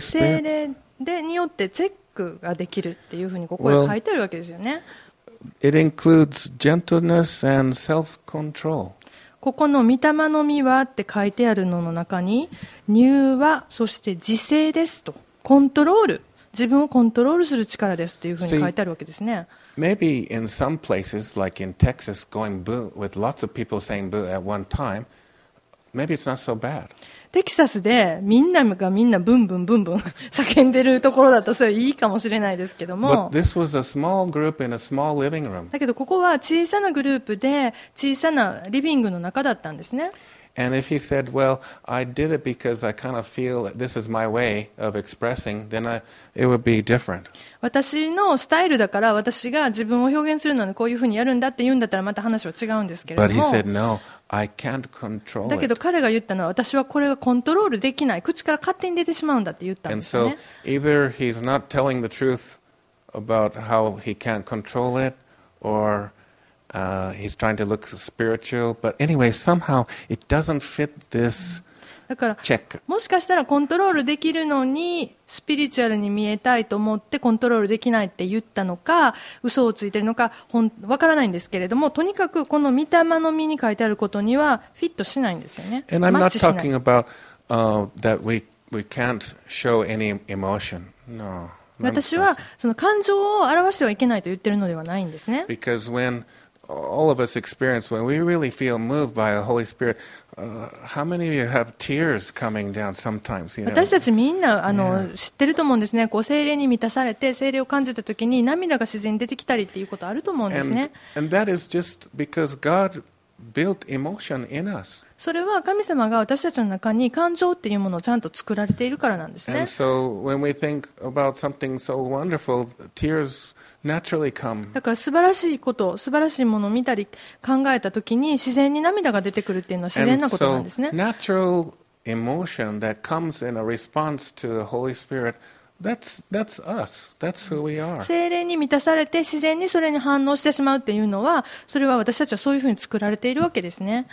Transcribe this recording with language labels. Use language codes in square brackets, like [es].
[ja] 聖霊でによってチェックができるっていうふうにここに書いてあるわけですよね。 [en] Well, it includes gentleness and self-control. [ja] ここの御霊の実はって書いてあるのの中に、柔和、そして自制ですと、コントロール。自分をコントロールする力ですというふうに書いてあるわけですね。 [en] Maybe in some places, like in Texas, going boo with lots of people saying boo at one time, maybe it's not so bad. [ja] テキサスでみんながみんなブンブンブンブン叫んでるところだとそれはいいかもしれないですけども。 [en] But this was a small group in a small living room. [ja] だけどここは小さなグループで小さなリビングの中だったんですね。 [en] And if he said, "Well, I did it because I kind of feel that this is my way of expressing," then it would be different. [ja] 私のスタイルだから私が自分を表現するのにこういうふうにやるんだって言うんだったらまた話は違うんですけれども。 [en] But he said, "No, I can't control it." [ja] だけど彼が言ったのは私はこれはコントロールできない。口から勝手に出てしまうんだって言ったんですね。 [en] And so either he's not telling the truth about how he can't control it, or he's trying to look spiritual, but anyway, somehow it doesn't fit this check. [ja] もしかしたらコントロールできるのにスピリチュアルに見えたいと思ってコントロールできないって言ったのか、嘘をついてるのか、わからないんですけれども、とにかくこの御霊の実に書いてあることにはフィットしないんですよね。 [en] And I'm not talking about that we can't show any emotion. No. [ja] 私はその感情を表してはいけないと言ってるのではないんですね。 [en] Because whenAll of us experience when we really feel moved by the Holy Spirit. How many of you have tears coming down sometimes? You know? [ja] 私たちみんな知ってると思うんですね。こう聖霊に満たされて聖霊を感じた時に涙が自然に出てきたりっていうことあると思うんですね。 [en] And that is just because God built emotion in us. [ja] それは神様が私たちの中に感情っていうものをちゃんと作られているからなんですね。 [en] And so when we think about something so wonderful, tears. Naturally come. [ja] だから素晴らしいこと、素晴らしいものを見たり考えたときに自然に涙が出てくるっていうのは自然なことなんですね。 [en] So, natural emotion that comes in a response to the Holy Spirit, that's us. That's who we are. [ja] 聖霊に満たされて自然にそれに反応してしまうっていうのは、それは私たちはそういうふうに作られているわけですね。